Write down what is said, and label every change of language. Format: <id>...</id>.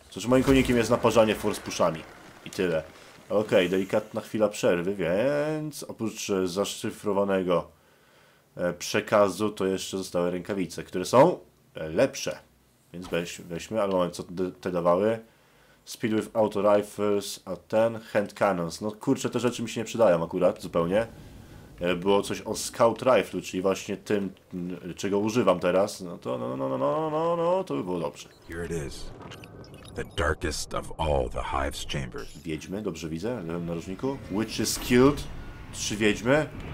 <pl>Cóż, moim konikiem jest naparzanie force pushami. I tyle. Okej, delikatna chwila przerwy, więc oprócz zaszyfrowanego przekazu, to jeszcze zostały rękawice, które są lepsze. Więc weźmy, ale moment, co te dawały?</pl> <en>Speed with auto rifles,</en> <pl>a ten</pl> <en>hand cannons.</en> <pl>No kurczę, te rzeczy mi się nie przydają akurat, zupełnie. Było coś o scout rifle, czyli właśnie tym, czego używam teraz. No to, no, to by było dobrze.</pl> <en>Here it is. The darkest of all the Hive's chambers.</en> <pl>Wiedźmy, dobrze widzę, lewym narożniku.</pl> <en>Witches killed.</en> <pl>Trzy wiedźmy.</pl>